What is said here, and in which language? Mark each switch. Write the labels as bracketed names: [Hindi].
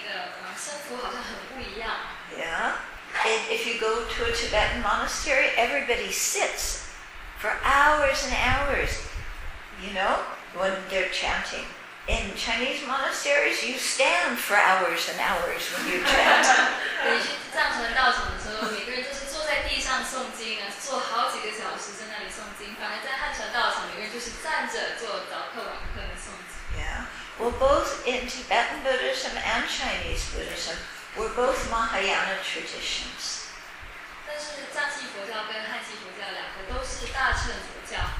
[Chinese] 因为在外表看起来说，我们汉传跟藏传的那个圣服好像很不一样。 [English] Yeah, and if you go to a Tibetan monastery, everybody sits for hours and hours, you know, when they're chanting. In Chinese monasteries, you stand for hours and hours when you chant. [Chinese] 你去藏传道场的时候，每个人都是坐在地上诵经啊，坐好几个小时在那里诵经。反而在汉传道场，每个人就是站着做早课晚课的诵经。 [English] Yeah, well, both in Tibetan Buddhism and Chinese Buddhism, we're both Mahayana traditions. [Chinese] 但是藏系佛教跟汉系佛教两个都是大乘佛教。